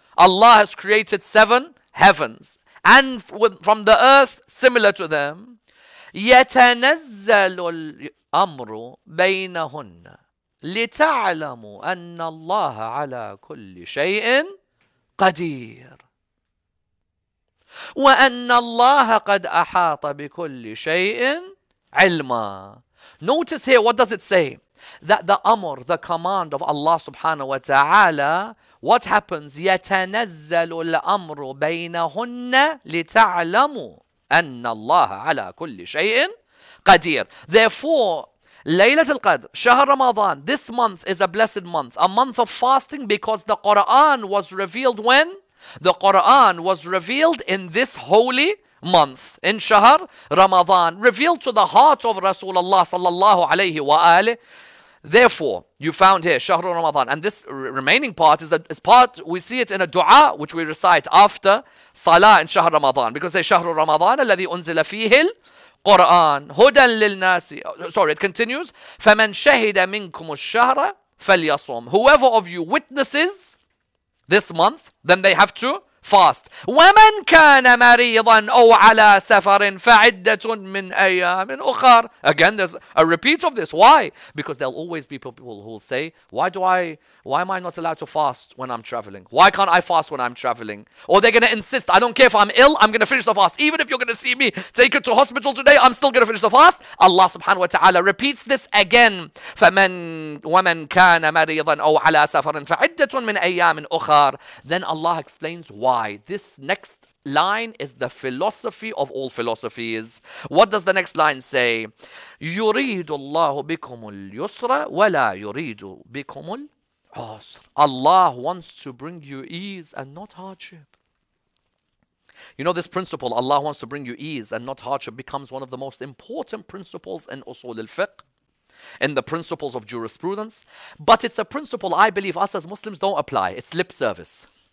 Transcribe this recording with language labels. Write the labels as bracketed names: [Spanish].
[English] Allah has created seven heavens and from the earth similar to them. [Arabic] يتنزل الأمر بينهن لتعلموا أن الله على كل شيء قدير وأن الله قد أحاط بكل شيء علما. [English] Notice here, what does it say? That the amr, the command of Allah [Arabic] subhanahu wa ta'ala, [English] what happens? [Arabic] يتنزل الأمر بينهن لتعلموا أن الله على كل شيء قدير. [English] Therefore, [Arabic] ليلة القدر, شهر رمضان, [English] this month is a blessed month, a month of fasting, because the Quran was revealed when? The Quran was revealed in this holy month, in [Arabic] شهر رمضان, [English] revealed to the heart of Rasulullah [Arabic] صلى الله عليه وآله. [English] Therefore, you found here, [Arabic] شهر رمضان, [English] and this remaining part is part, we see it in a dua, which we recite after salah in [Arabic] شهر رمضان, because say, شهر رمضان الذي أنزل فيه القرآن هدى للناس. [English] Sorry, it continues. [Arabic] فمن شهد منكم الشهر فليصوم. [English] Whoever of you witnesses this month, then they have to fast. [Arabic] ومن كان مريضا أو على سفر فعدة من أيام أخر. [English] Again, there's a repeat of this. Why? Because there'll always be people who'll say, why am I not allowed to fast when I'm traveling? Why can't I fast when I'm traveling? Or they're going to insist, I don't care if I'm ill, I'm going to finish the fast. Even if you're going to see me take it to hospital today, I'm still going to finish the fast. Allah [Arabic] subhanahu wa ta'ala [English] repeats this again. [Arabic] فمن ومن كان مريضا أو على سفر فعدة من أيام أخر. [English] Then Allah explains why. This next line is the philosophy of all philosophies. What does the next line say? [Arabic] يريد الله بكم اليسر ولا يريد بكم العسر. [English] Allah wants to bring you ease and not hardship. You know, this principle, Allah wants to bring you ease and not hardship, becomes one of the most important principles in usul al-fiqh, in the principles of jurisprudence. But it's a principle I believe us as Muslims don't apply. It's lip service.